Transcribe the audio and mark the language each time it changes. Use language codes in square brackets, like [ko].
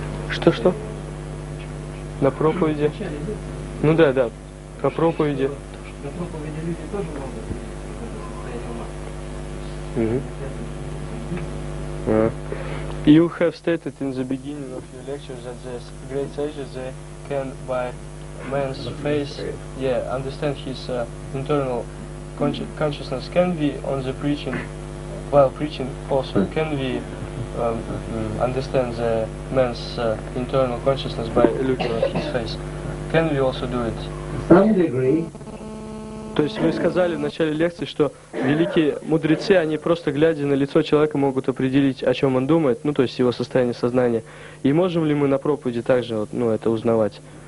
[ru] Что? На проповеди? Ну да. На проповеди. На проповеди люди тоже могут состоять ума. [en] You have stated in the beginning of your lecture that the great sages, they can, by man's face, understand his internal consciousness. Can we, on the preaching, while preaching also, can we understand the man's internal consciousness by looking at his face? Can we also do it? Some degree. [ru] То есть вы сказали в начале лекции, что великие мудрецы, они просто глядя на лицо человека, могут определить, о чем он думает, ну то есть его состояние сознания. И можем ли мы на проповеди также вот, ну, это узнавать?